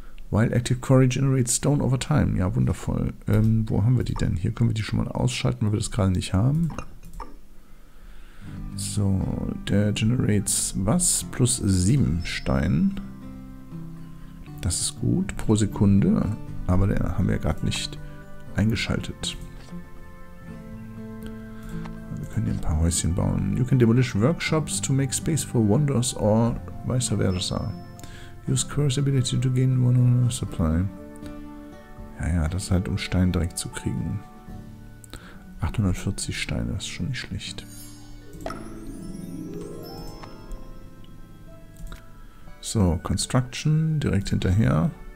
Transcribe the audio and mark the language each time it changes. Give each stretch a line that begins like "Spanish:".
English: While active quarry generates stone over time.
German: Ja, wundervoll. Wo haben wir die denn? Hier können wir die schon mal ausschalten, weil wir das gerade nicht haben. So, der generates was? Plus 7 Stein. Das ist gut, pro Sekunde. Aber den haben wir gerade nicht eingeschaltet. Wir können hier ein paar Häuschen bauen.
English: You can demolish workshops to make space for wonders or vice versa. Use Curse Ability to gain one supply.
German: Ja, ja, das ist halt, um Stein direkt zu kriegen. 840 Steine, das ist schon nicht schlecht. So, Construction, direkt hinterher.